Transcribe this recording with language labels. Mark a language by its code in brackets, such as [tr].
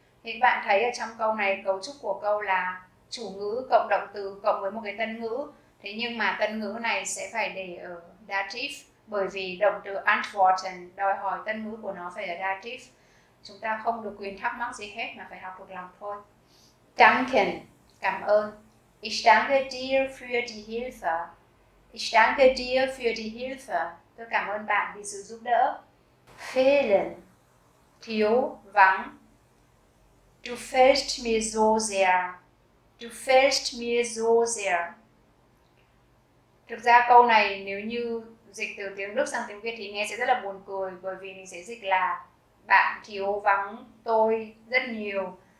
[vi] Thì các bạn thấy ở trong câu này, cấu trúc của câu là chủ ngữ cộng động từ cộng với một cái tân ngữ. Thế nhưng mà tân ngữ này sẽ phải để ở dative, bởi vì động từ antworten đòi hỏi tân ngữ của nó phải ở dative. Chúng ta không được quyền thắc mắc gì hết mà phải học thuộc lòng thôi. Danken, cảm ơn. [de] Ich danke dir für die Hilfe. Ich danke dir für die Hilfe. [vi] Tôi cảm ơn bạn vì sự giúp đỡ. Fehlen, thiếu, vắng. [de] Du fehlst mir so sehr. Du fehlst mir so sehr. [vi] Thực ra câu này nếu như dịch từ tiếng Đức sang tiếng Việt thì nghe sẽ rất là buồn cười, bởi vì mình sẽ dịch là bạn thiếu vắng tôi rất nhiều.